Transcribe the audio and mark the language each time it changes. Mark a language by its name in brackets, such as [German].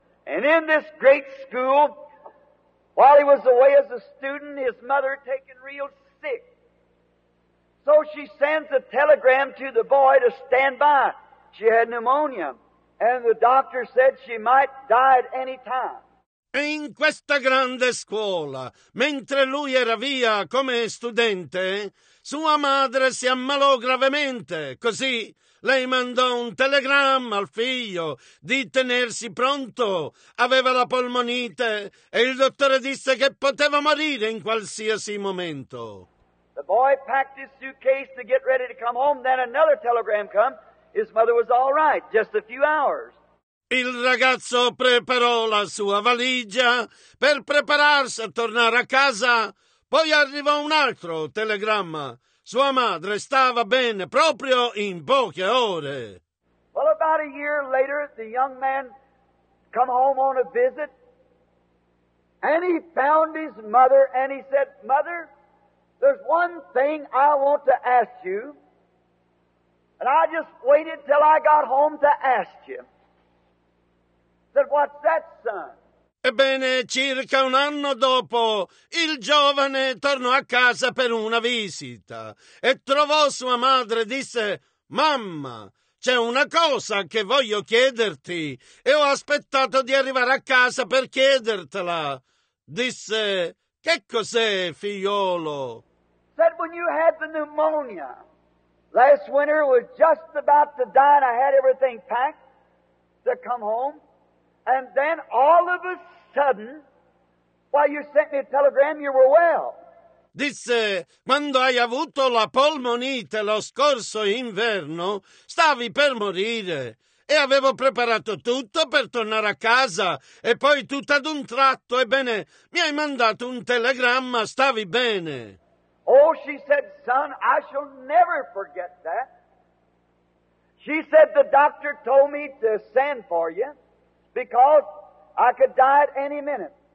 [English] And in this great school, while he was away as a student, his mother taken real sick. So she sends a telegram to the boy to stand by. She had pneumonia, and the doctor said she might die at any time. [Italian] E in questa grande scuola, mentre lui era via come studente, sua madre si ammalò gravemente, così lei mandò un telegramma al figlio di tenersi pronto, aveva la polmonite e il dottore disse che poteva morire in qualsiasi momento. [English] The boy packed his suitcase to get ready to come home, then another telegram came, his mother was all right, just a few hours. [Italian] Il ragazzo preparò la sua valigia per prepararsi a tornare a casa. Poi arrivò un altro telegramma. Sua madre stava bene proprio in poche ore. [English] Well, about a year later, the young man come home on a visit and he found his mother and he said, Mother, there's one thing I want to ask you and I just waited till I got home to ask you. Said, what's that, son? [Italian] Ebbene, circa un anno dopo, il giovane tornò a casa per una visita e trovò sua madre e disse, Mamma, c'è una cosa che voglio chiederti e ho aspettato di arrivare a casa per chiedertela. Disse, che cos'è, figliolo? [English] Said, when you had the pneumonia, last winter was just about to die and I had everything packed to come home. And then all of a sudden, while you sent me a telegram, you were well. [Italian] Disse, quando hai avuto la polmonite lo scorso inverno, stavi per morire. E avevo preparato tutto per tornare a casa. E poi tutto ad un tratto, ebbene, mi hai mandato un telegramma, stavi bene. [English] Oh, she said, son, I shall never forget that. She said, the doctor told me to send for you. Because I could die at any minute.